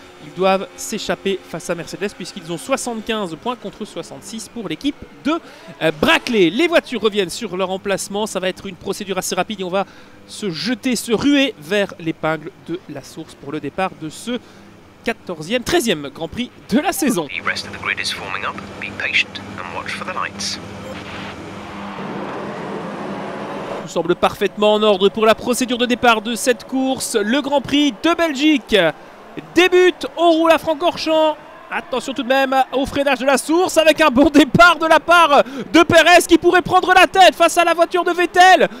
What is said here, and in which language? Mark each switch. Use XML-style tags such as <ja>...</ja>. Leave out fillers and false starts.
<fr>Ils doivent s'échapper face à Mercedes, puisqu'ils ont 75 points contre 66 pour l'équipe de Brackley. Les voitures reviennent sur leur emplacement. Ça va être une procédure assez rapide et on va se ruer vers l'épingle de la source pour le départ de ce 14e, 13e Grand Prix de la saison.</fr> <en>The rest of the grid is forming up. Be patient and watch for the lights.</en> <fr>Tout semble parfaitement en ordre pour la procédure de départ de cette course. Le Grand Prix de Belgique débute, on roule à Francorchamps. Attention tout de même au freinage de la source avec un bon départ de la part de Perez qui pourrait prendre la tête face à la voiture de Vettel.</fr>